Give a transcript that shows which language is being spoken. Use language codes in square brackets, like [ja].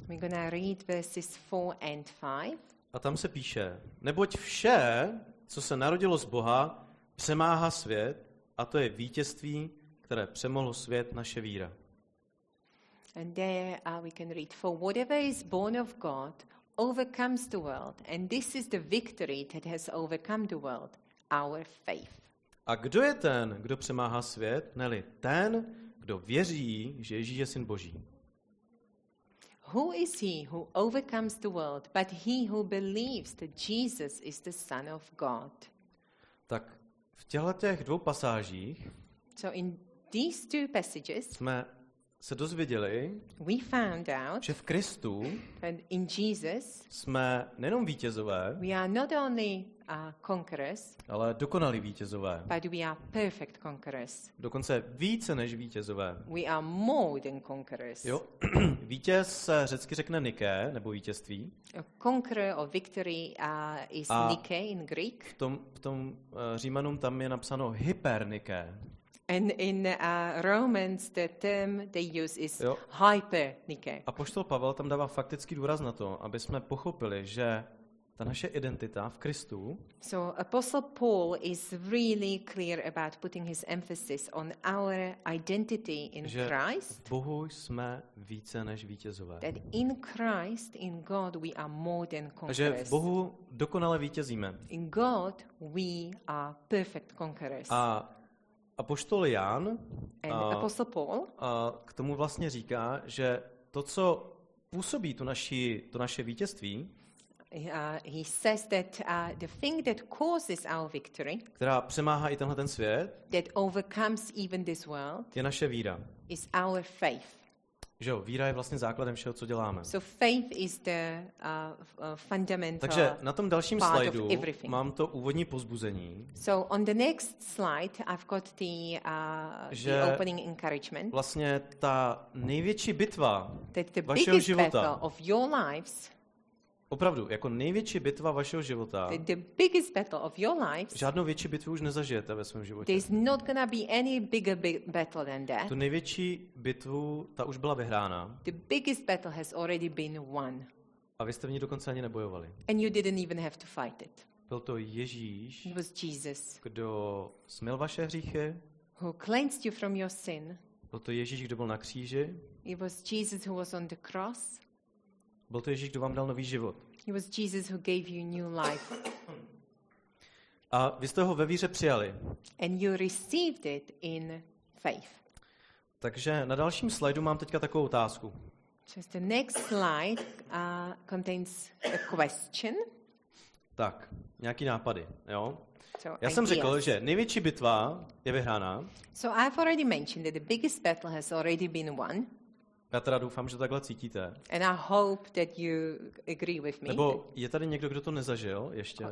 [en] We're going to read verses 4 and 5. [cs] A tam se píše, neboť vše, co se narodilo z Boha, přemáhá svět, a to je vítězství, které přemohlo svět, naše víra. [en] And there we can read, for whatever is born of God overcomes the world, and this is the victory that has overcome the world, our faith. [cs] A kdo je ten, kdo přemáhá svět, neli ten, kdo věří, že Ježíš je syn Boží? [en] Who is he who overcomes the world but he who believes that Jesus is the Son of God? [cs] Tak v těchto těch dvou pasážích [en] so in these two passages [cs] jsme se dozvěděli [en] we found out [cs] že v Kristu [en] and in Jesus [cs] jsme nejenom vítězové [en] we are not only conquerors [cs] ale dokonalí vítězové [en] but we are perfect conquerors [cs] dokonce více než vítězové [en] we are more than conquerors [cs] jo vítěz se řecky řekne niké nebo vítězství [en] a conqueror or victory is a niké in Greek [cs] v tom Římanům tam je napsáno hyperniké. [en] And in Romans the term they use is hypernike. [cs] Apoštol Pavel tam dává faktický důraz na to, aby jsme pochopili, že Ta naše identita v Kristu. [en] So Apostle Paul is really clear about putting his emphasis on our identity in Christ. [cs] V Bohu jsme více než vítězové. [en] That in Christ, in God, we are more than conquerors. [cs] Že v Bohu dokonale vítězíme. [en] In God, we are perfect conquerors. [cs] A apoštol Jan [en] Apostle Paul, [cs] k tomu vlastně říká, že to, co působí to naše vítězství, [en] He says that the thing that causes our victory, [cs] která přemáhá i tenhle ten svět, [en] that overcomes even this world, [cs] je naše víra. [en] Is our faith. [cs] Že jo, víra je vlastně základem všeho, co děláme. [en] So faith is the fundamental. [cs] Takže na tom dalším slajdu mám to úvodní pozbuzení. [en] So on the next slide I've got the opening encouragement. [cs] Vlastně ta největší bitva [en] that the [cs] vašeho [en] biggest [cs] života, [en] battle of your lives. [cs] Opravdu, jako největší bitva vašeho života. [en] The biggest battle of your life. [cs] Žádnou větší bitvu už nezažijete ve svém životě. [en] There's not gonna be any bigger battle than that. [cs] Tu největší bitvu, ta už byla vyhrána. [en] The biggest battle has already been won. [cs] A vy jste v ní dokonce ani nebojovali. [en] And you didn't even have to fight it. [cs] Byl to Ježíš. [en] It was Jesus. [cs] Kdo smil vaše hříchy? [en] Who cleansed you from your sin? [cs] Byl to Ježíš, kdo byl na kříži? [en] It was Jesus who was on the cross. [cs] Byl to Ježíš, kdo vám dal nový život. [en] It was Jesus who gave you new life. [cs] A vy jste ho ve víře přijali. [en] And you received it in faith. [cs] Takže na dalším slajdu mám teďka takovou otázku. [en] Just the next slide contains a question. [cs] Tak, nějaký nápady, jo? Já jsem řekl, že největší bitva je vyhrána. [en] So I've already mentioned that the biggest battle has already been won. [cs] Já teda doufám, že to takhle cítíte. [en] And I hope that you agree with me. [cs] Nebo je tady někdo, kdo to nezažil ještě?